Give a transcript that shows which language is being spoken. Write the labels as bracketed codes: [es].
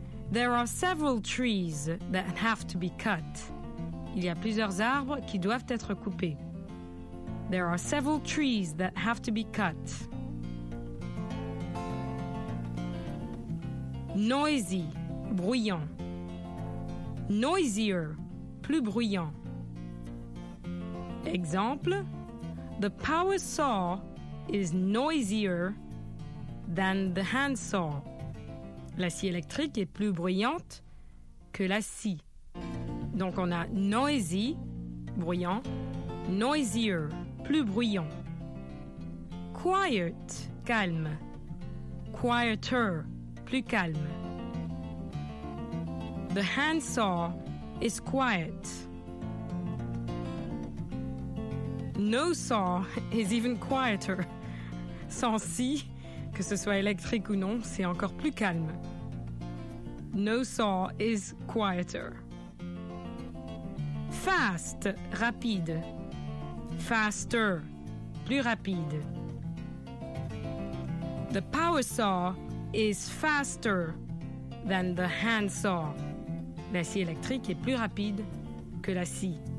[en] There are several trees that have to be cut. [fr] Il y a plusieurs arbres qui doivent être coupés. [en] There are several trees that have to be cut. [fr] Noisy, bruyant. Noisier, plus bruyant. [en] Exemple, the power saw is noisier than the hand saw. [fr] La scie électrique est plus bruyante que la scie. Donc on a noisy, bruyant, noisier, plus bruyant. Quiet, calme. Quieter, plus calme. [en] The handsaw is quiet. No saw is even quieter. [fr] Sans scie, Que ce soit électrique ou non, c'est encore plus calme. [en] No saw is quieter. Fast, rapide. [fr] Faster, plus rapide. [en] The power saw is faster than the hand saw. [fr] La scie électrique est plus rapide que la scie.